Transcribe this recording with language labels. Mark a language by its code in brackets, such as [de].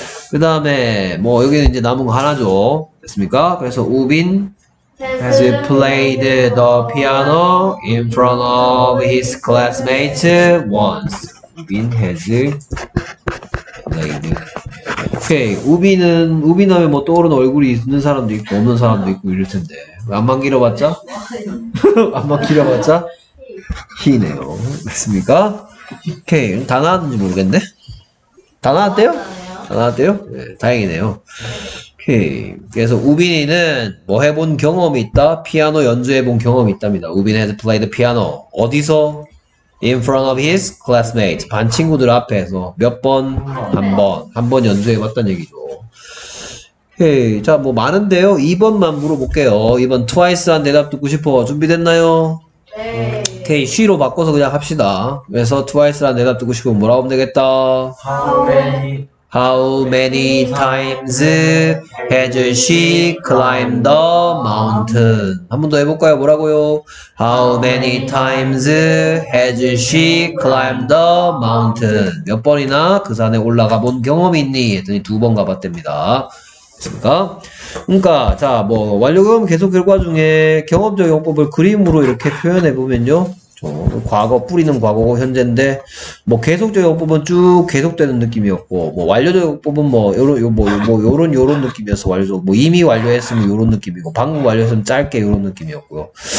[ko] 그 다음에 뭐 여기는 이제 남은 거 하나죠. 됐습니까? 그래서 우빈 [en] has played the piano in front of his classmates once. 우빈 has played. 오케이. [ko] 우빈 하면 뭐 떠오르는 얼굴이 있는 사람도 있고 없는 사람도 있고 이럴 텐데. 안만 길어봤자? 안만 길어봤자? 희네요. 맞습니까? 오케이. 다 나왔는지 모르겠네. 다 나왔대요? 다 나왔대요? 네, 다행이네요. 오케이. 그래서 우빈이는 뭐 해본 경험이 있다? 피아노 연주해본 경험이 있답니다. [en] 우빈 has played the piano. 어디서? In front of his classmates. [ko] 반 친구들 앞에서 몇 번? 한 번 연주해봤단 얘기죠. 오케이. 자, 뭐 많은데요. 2번만 물어볼게요. 2번 트와이스한 대답 듣고 싶어. 준비됐나요? 네. 오케이. 쉬로 바꿔서 그냥 합시다. 그래서 트와이스한 대답 듣고 싶으면 뭐라고 하면 되겠다? [en] How many How many times has she climbed the mountain? [ko] 한 번 더 해볼까요? 뭐라고요? [en] How many times has she climbed the mountain? [ko] 몇 번이나 그 산에 올라가 본 경험이 있니? 했더니 두 번 가봤답니다. 됐습니까? 그러니까 자, 뭐 완료경험 계속 결과 중에 경험적 용법을 그림으로 이렇게 표현해보면요. 과거 뿌리는 과거고 현재인데 뭐 계속적 용법은 쭉 계속되는 느낌이었고 뭐 완료적 용법은 뭐 요런 요런 느낌이어서 완료적 뭐 이미 완료했으면 요런 느낌이고 방금 완료했으면 짧게 요런 느낌이었고요.